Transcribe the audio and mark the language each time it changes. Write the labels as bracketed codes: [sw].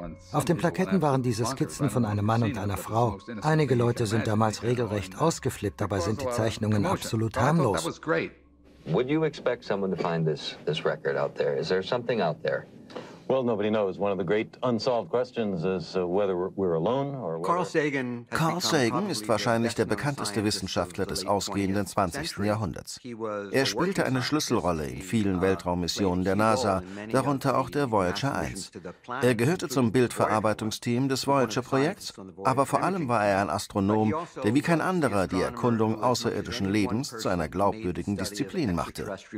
[de] Auf den Plaketten waren diese Skizzen von einem Mann und einer Frau. Einige Leute sind damals regelrecht ausgeflippt, dabei sind die Zeichnungen absolut harmlos. [en] Would you expect someone to find this record out there? Is there something out there? Well, nobody knows. One of the great unsolved questions is whether we're alone or whether... [de] Carl Sagan ist wahrscheinlich der bekannteste Wissenschaftler des ausgehenden 20. Jahrhunderts. Er spielte eine Schlüsselrolle in vielen Weltraummissionen der NASA, darunter auch der Voyager 1. Er gehörte zum Bildverarbeitungsteam des Voyager-Projekts, aber vor allem war er ein Astronom, der wie kein anderer die Erkundung außerirdischen Lebens zu einer glaubwürdigen Disziplin machte.